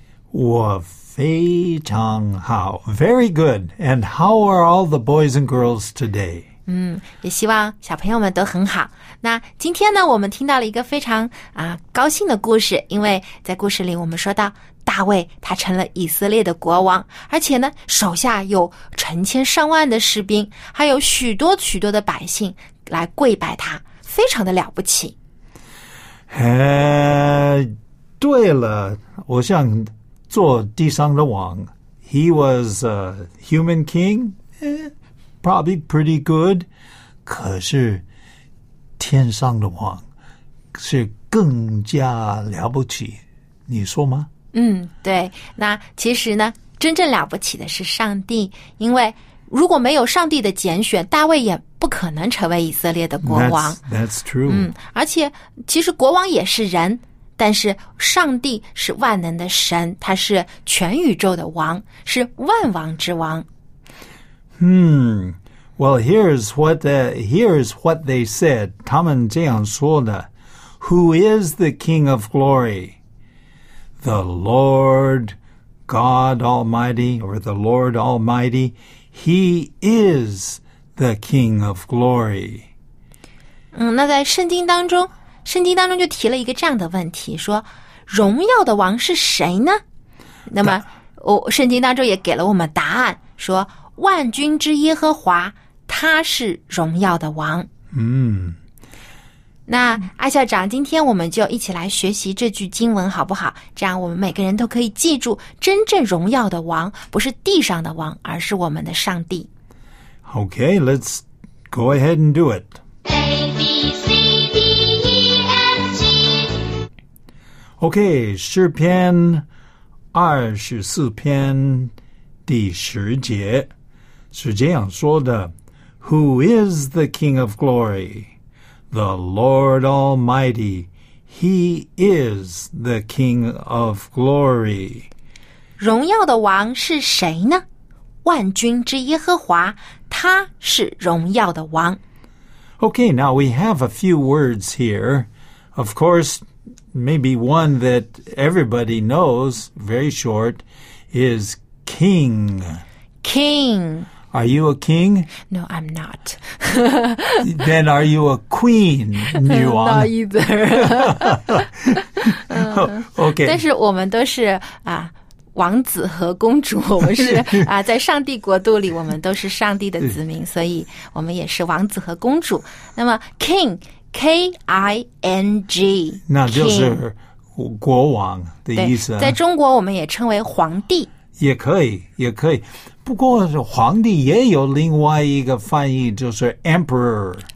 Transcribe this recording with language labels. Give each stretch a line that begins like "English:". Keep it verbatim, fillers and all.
Chinese: 我非常好 ，
English: very good. And how are all the boys and girls today?
Chinese: 嗯，也希望小朋友们都很好。那今天呢，我们听到了一个非常啊高兴的故事，因为在故事里我们说到。大卫他成了以色列的国王，而且呢，手下有成千上万的士兵，还有许多许多的百姓来跪拜他，非常的了不起。呃，对了，我想做地上的王。
English: He was a human king, probably pretty good.
Chinese: 可是天上的王是更加了不起，你说吗？嗯，对。那其实呢，真正了不起的是上帝，因为如果没有上帝的拣选，大卫也不可能成为以色列的国王。
English: That's, that's true.
Chinese: 嗯，而且其实国王也是人，但是上帝是万能的神，他是全宇宙的王，是万王之王。 Hmm.
English: Well, here's what the, here's what they said.
Chinese: 他们这样说的。
English: Who is the King of Glory? The Lord God Almighty, or the Lord Almighty. He is the King of Glory.
Chinese: 嗯，那在圣经当中，圣经当中就提了一个这样的问题，说荣耀的王是谁呢？那么、哦、圣经当中也给了我们答案，说万军之耶和华，他是荣耀的王。嗯，那艾校长，今天我们就一起来学习这句经文好不好？这样我们每个人都可以记住，真正荣耀的王不是地上的王，而是我们的上帝。
English: Okay, let's go ahead and do it. A, B, C, D, E, F, G.
Chinese: Okay, 诗篇二十四篇第十节是这样说的 ：
English: Who is the King of Glory? The Lord Almighty, He is the King of Glory.
Chinese: 荣耀的王是谁呢？万军之耶和华，他是荣耀的王。
English: Okay, now we have a few words here. Of course, maybe one that everybody knows, very short, is king. King. Are you a king? No, I'm not. Then are you a queen? Not either. Okay.
Chinese: 但是我们都是啊，王子和公主，我们是啊，在上帝国度里，我们都是上帝的子民，所以我们也是王子和公主。那么
English: king, K I N G,
Chinese: 那就是国王的意思。在中国，我们也称为皇帝。也可以，也可以。不过皇帝也有另外一个翻译，就是 emperor。